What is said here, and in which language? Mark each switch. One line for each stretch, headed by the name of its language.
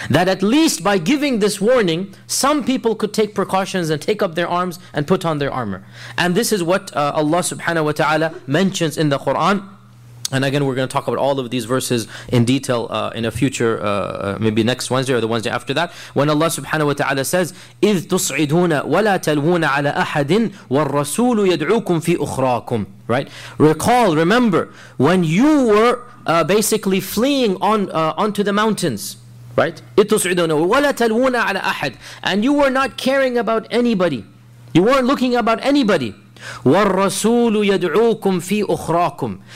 English: That at least by giving this warning, some people could take precautions and take up their arms and put on their armor. And this is what Allah subhanahu wa ta'ala mentions in the Quran. And again, we're going to talk about all of these verses in detail in a future, maybe next Wednesday or the Wednesday after that. When Allah subhanahu wa ta'ala says,
Arabic: إِذْ تُصْعِدُونَ وَلَا تَلْوُونَ عَلَىٰ أَحَدٍ وَالرَّسُولُ يَدْعُوكُمْ فِي أُخْرَاكُمْ.
English: Right? Recall, remember, when you were basically fleeing onto the mountains, right?
Arabic: إِذْ تُصْعِدُونَ وَلَا تَلْوُونَ عَلَىٰ أَحَدٍ.
English: And you were not caring about anybody. You weren't looking about anybody.
Arabic: وَالرَّسُولُ يَدْعُوكُمْ فِي أُخْرَاكُمْ.